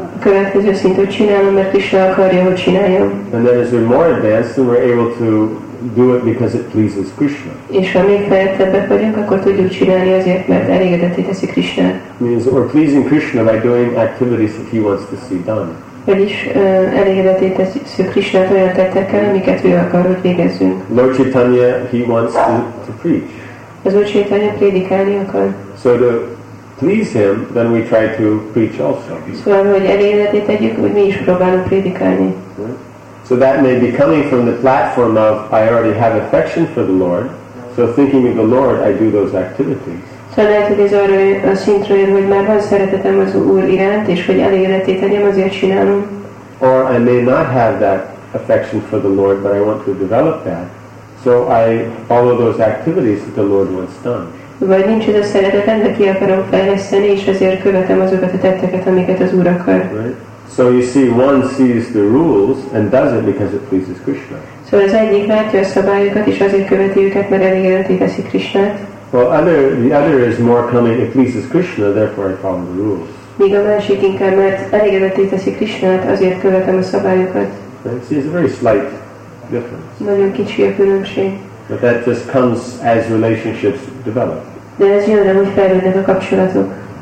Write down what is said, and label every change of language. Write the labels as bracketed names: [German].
[Hungarian] A következő szint, hogy csinálom, mert Krishna akarja, hogy csináljam. [English] And then as we're more advanced, then we're able to do it because it pleases Krishna. [Hungarian] És ha még fejlettebbek vagyunk, akkor tudjuk csinálni azért, mert elégedetté teszi Krishna. [English] Means we're pleasing Krishna by doing activities that he wants to see done. [Hungarian] Vagyis elégedetté teszi Krishna olyan tettekkel, amiket ő akar, hogy végezzünk. [English] Lord Chaitanya, he wants to preach. [Hungarian] Az Úr Chaitanya prédikálni akar. [English] So to please him, then we try to preach also. [Hungarian] Szóval, hogy elégedetté tegyük, hogy mi is próbálunk prédikálni. [English] So that may be coming from the platform of I already have affection for the Lord, so So thinking of the Lord, I do those activities. [Hungarian] So lehet, hogy ez arra a szintről jön, hogy már van szeretetem az Úr iránt, és hogy elégedetté tegyem, azért csinálom. [English] Or I may not have that affection for the Lord, but I want to develop that. So I follow those activities that the Lord wants done. [Hungarian] Vagy nincs ez a szeretetem, de ki akarom fejleszteni, és ezért követem azokat a tetteket, amiket az Úr akar. [English] Right? So you see, one sees the rules and does it because it pleases Krishna. [Hungarian] So az egyik látja a szabályokat, és azért követi őket, mert elégedetté teszi Krisnát. [English] Well, the other is more coming, it pleases Krishna, therefore I follow the rules. [Hungarian] Míg a másik inkább, mert elégedetté teszi Krisnát, azért követem a szabályokat. [English] See, it's a very slight difference. [Hungarian] Nagyon kicsi a különbség. [English] But that just comes as relationships develop. [Hungarian] De ez jön, ahogy fejlődnek a kapcsolatok.